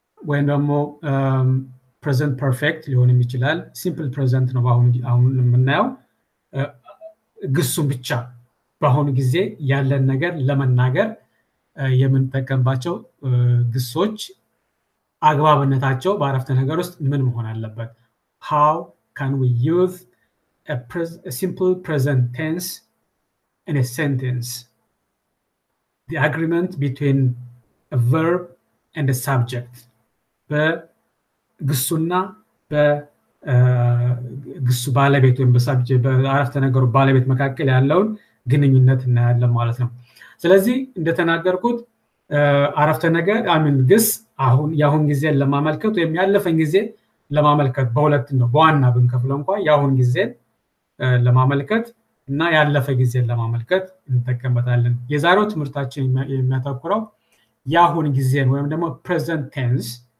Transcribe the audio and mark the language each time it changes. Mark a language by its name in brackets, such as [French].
[Amharic] ወይም ደግሞ present perfect ሊሆንም ይችላል። simple present ነው አሁን የምናየው ግሱን ብቻ በአሁኑ ጊዜ ያለን ነገር ለመናገር የምንጠቀምባቸው ግሶች አግባብነታቸው በአረፍተ ነገር ውስጥ ምን መሆን አለበት? [English] How can we use a simple present tense in a sentence? The agreement between a verb and a subject. [Amharic] በግሱና በግሱ ባለቤት ወይም በሳብጀክት በአረፍተ ነገሩ ባለቤት መካከል ያለውን ግንኙነት እናያለን ማለት ነው። ስለዚህ እንደተናገርኩት አረፍተ ነገር አሚን ግስ አሁን ያሁን ጊዜ ለማመልከት ወይም ያለፈን ጊዜ ለማመልከት በሁለት ነው በዋና ብንከፍለው እንኳን ያሁን ጊዜ ለማመልከት እና ያለፈ ጊዜ ለማመልከት እንተከመታለን የዛሬው ትምርታችን የሚያተኩረው ያሁን ጊዜን ወይም ደግሞ present tense